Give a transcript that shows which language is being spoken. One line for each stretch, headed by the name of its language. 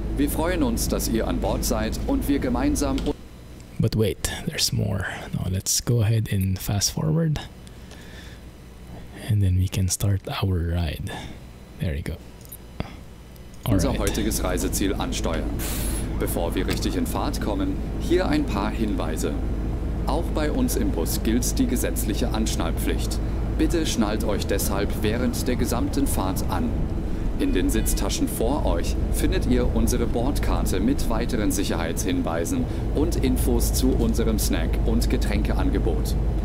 German: Wir freuen uns, dass ihr an Bord seid und wir gemeinsam.
English: But wait, there's more. Now let's go ahead and fast forward, and then we can start our ride. There you go.
German: All unser right. Heutiges Reiseziel ansteuern. Bevor wir richtig in Fahrt kommen, hier ein paar Hinweise. Auch bei uns im Bus gilt die gesetzliche Anschnallpflicht. Bitte schnallt euch deshalb während der gesamten Fahrt an. In den Sitztaschen vor euch findet ihr unsere Bordkarte mit weiteren Sicherheitshinweisen und Infos zu unserem Snack- und Getränkeangebot.